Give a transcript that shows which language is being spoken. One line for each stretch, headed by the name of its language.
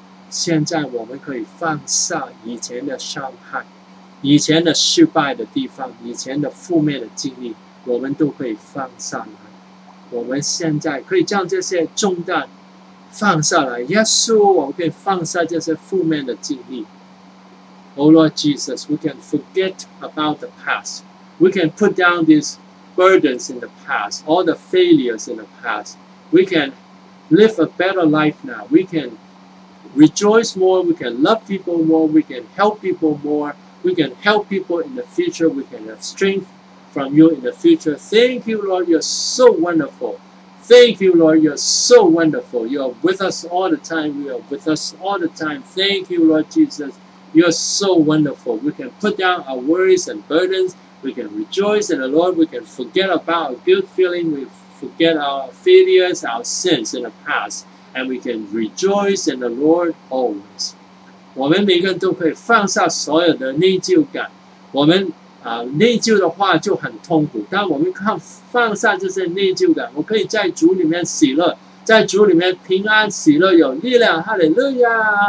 Chinese: 现在我们可以放下以前的伤害，以前的失败的地方，以前的负面的经历，我们都可以放下来。我们现在可以将这些重担放下来。耶稣，我们可以放下这些负面的经历。
English: Oh Lord Jesus, we can forget about the past. We can put down these burdens in the past, all the failures in the past. We can live a better life now. We canrejoice more, we can love people more, we can help people more, we can help people in the future, we can have strength from you in the future. Thank you, Lord, you're so wonderful. Thank you, Lord. You're so wonderful. You're with us all the time. You are with us all the time. Thank you, Lord Jesus. You're so wonderful. We can put down our worries and burdens. We can rejoice in the Lord. We can forget about our guilt feeling. We forget our failures, our sins in the past. And we can rejoice in the Lord always.
Chinese: 我们每个人都可以放下所有的内疚感。我们内疚的话就很痛苦，但我们看放下这些内疚感，我可以在主里面喜乐，在主里面平安喜乐有力量，哈利路亚！